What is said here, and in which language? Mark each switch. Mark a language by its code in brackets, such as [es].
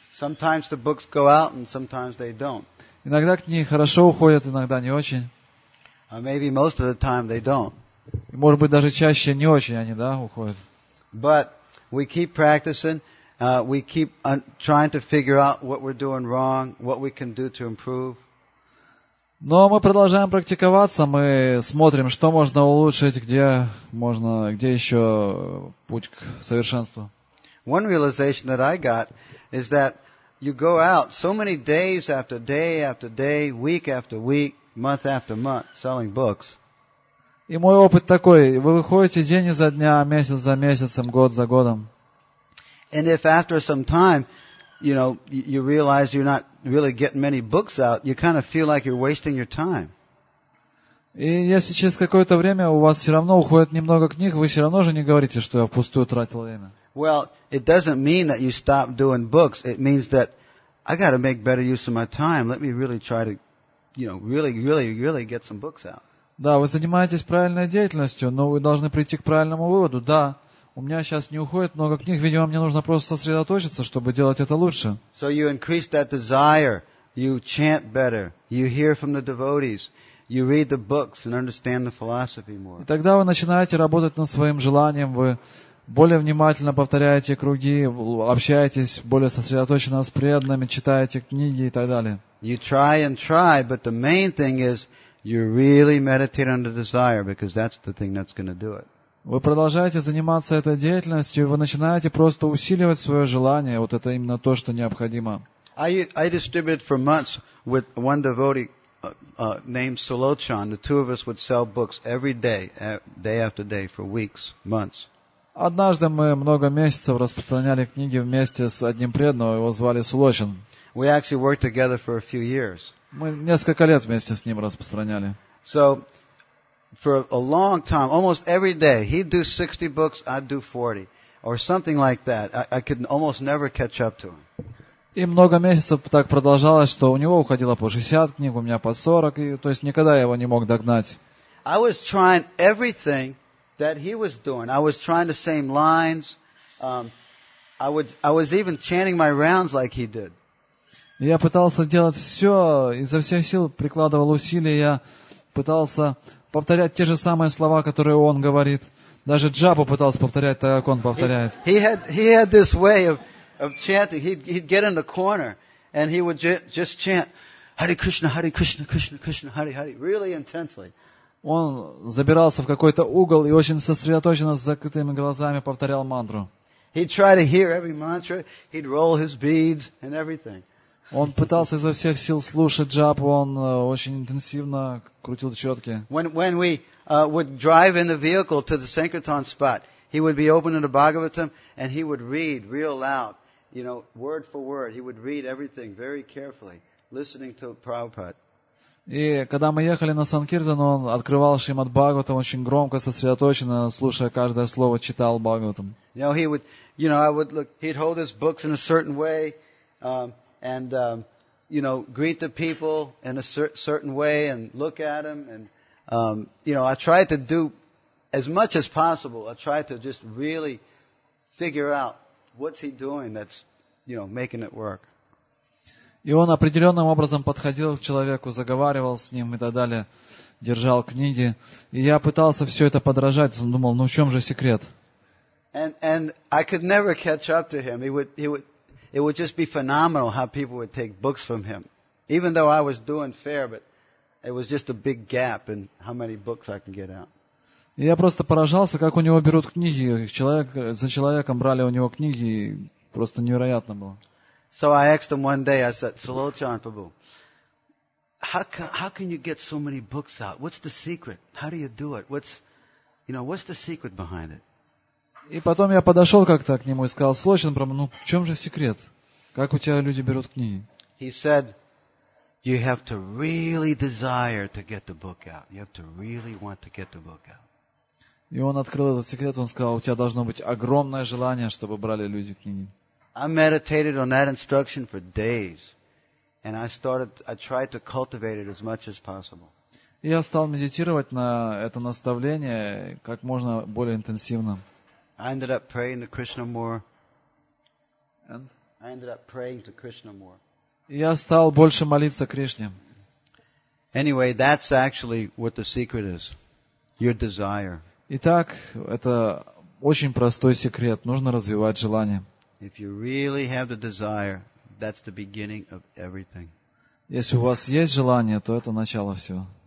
[en] Sometimes the books go out and sometimes they don't. [ru] Иногда книги хорошо уходят, иногда не очень. [en] Maybe most of the time they don't. [ru] И, может быть, даже чаще не очень они, да, уходят. [en] But we keep practicing, we keep trying to figure out what we're doing wrong, what we can do to improve. [ru] Но мы продолжаем практиковаться, мы смотрим, что можно улучшить, где еще путь к совершенству. [en] One realization that I got is that you go out so many days after day, week after week, month after month, selling books. [ru] И мой опыт такой, вы выходите день изо дня, месяц за месяцем, год за годом. [en] And if after some time, you know, you realize you're not really getting many books out, you kind of feel like you're wasting your time. [ru] И если через какое-то время у вас все равно уходит немного книг, вы все равно же не говорите, что я впустую тратил время. [en] Well, it doesn't mean that you stop doing books. It means that I got to make better use of my time. Let me really try to, you know, really, really, really get some books out. [ru] Да, вы занимаетесь правильной деятельностью, но вы должны прийти к правильному выводу. Да, у меня сейчас не уходит много книг, видимо, мне нужно просто сосредоточиться, чтобы делать это лучше. [en] So you increase that desire, you chant better, you hear from the devotees, you read the books and understand the philosophy more. [ru] И тогда вы начинаете работать над своим желанием, вы более внимательно повторяете круги, общаетесь более сосредоточенно с преданными, читаете книги и так далее. [en] You try and try, but the main thing is you really meditate on the desire, because that's the thing that's going to do it. [ru] Вы продолжаете заниматься этой деятельностью, вы начинаете просто усиливать свое желание, вот это именно то, что необходимо. [en] I distributed for months with one devotee named Solochan. The two of us would sell books every day, day after day, for weeks, months. [ru] Однажды мы много месяцев распространяли книги вместе с одним преданным, его звали Сулочан. [en] We actually worked together for a few years. [ru] Мы несколько лет вместе с ним распространяли. [en] So, for a long time, almost every day, he'd do 60 books, I'd do 40. Or something like that. I could almost never catch up to him. [ru] И много месяцев так продолжалось, что у него уходило по 60 книг, у меня по 40. И, то есть никогда я его не мог догнать. [en] I was trying everything that he was doing. I was trying the same lines. I was even chanting my rounds like he did. [ru] Я пытался делать все, изо всех сил прикладывал усилия, я пытался повторять те же самые слова, которые он говорит. Даже Джапу пытался повторять так, как он повторяет. [en] He had this way of chanting. He'd get in the corner and he would just chant Hare Krishna, Hare Krishna, Krishna Krishna, Hare Hare, really intensely. [ru] Он забирался в какой-то угол и очень сосредоточенно с закрытыми глазами повторял мантру. [en] He'd try to hear every mantra, he'd roll his beads and everything. [ru] Он пытался изо всех сил слушать джапу, он очень интенсивно крутил четки. [en] When we would drive in the vehicle to the sankirtan spot, he would be opening the Bhagavatam and he would read real loud, you know, word for word. He would read everything very carefully, listening to Prabhupada. [ru] И когда мы ехали на Санкиртан, он открывал Шримад Бхагаватам очень громко, сосредоточенно, слушая каждое слово, читал Бхагаватам. [en] You know, he would, you know, I would look, he'd hold his books in a certain way, you know, greet the people in a certain way and look at them. And, you know, I tried to do as much as possible. I tried to just really figure out what's he doing that's, you know, making it work. [ru] И он определенным образом подходил к человеку, заговаривал с ним и так далее, держал книги. И я пытался все это подражать, думал, ну в чем же секрет? [en] And I could never catch up to him. It would just be phenomenal how people would take books from him. Even though I was doing fair, but it was just a big gap in how many books I can get out. [ru] И я просто поражался, как у него берут книги. Человек, за человеком брали у него книги, и просто невероятно было. [en] So I asked him one day, I said, Salochan Prabhu, how can you get so many books out? What's the secret? How do you do it? What's the secret behind it? [ru] И потом я подошел как-то к нему и сказал, Салочан Прабху, ну в чем же секрет? Как у тебя люди берут книги? [en] He said, you have to really desire to get the book out. You have to really want to get the book out. [ru] И он открыл этот секрет, он сказал, у тебя должно быть огромное желание, чтобы брали люди книги. [en] I meditated on that instruction for days, and I tried to cultivate it as much as possible. [ru] Я стал медитировать на это наставление как можно более интенсивно. [en] I ended up praying to Krishna more. And? I ended up praying to Krishna more. [ru] Я стал больше молиться Кришне. [en] Anyway, that's actually what the secret is. Your desire. [ru] Итак, это очень простой секрет. Нужно развивать желание. [en] If you really have the desire, that's the beginning of everything. [ru] Если у вас есть желание, то это начало всего.